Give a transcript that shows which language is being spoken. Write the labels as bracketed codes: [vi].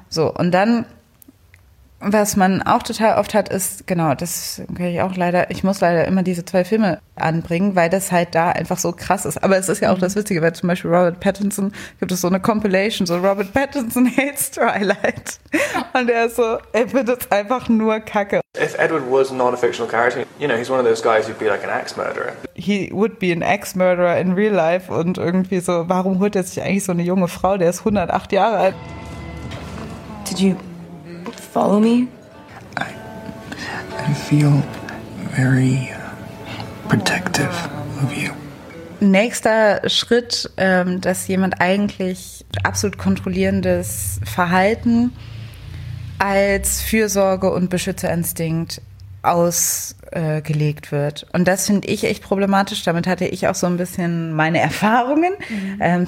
[de] So, und dann, was man auch total oft hat, ist, genau, das kann ich auch leider, ich muss leider immer diese zwei Filme anbringen, weil das halt da einfach so krass ist. Aber es ist ja auch das Witzige, weil zum Beispiel Robert Pattinson, gibt es so eine Compilation, so Robert Pattinson hates Twilight. Und er ist so, er findet es einfach nur kacke. [en] If Edward was not a fictional character, you know, he's one of those guys who'd be like an axe murderer. He would be an axe murderer in real life [de] und irgendwie so, warum holt er sich eigentlich so eine junge Frau, der ist 108 Jahre alt? [en] Did you follow me? I feel very protective of you. [de] Nächster Schritt, dass jemand eigentlich absolut kontrollierendes Verhalten als Fürsorge- und Beschützerinstinkt ausgelegt wird. Und das finde ich echt problematisch. Damit hatte ich auch so ein bisschen meine Erfahrungen. Mhm.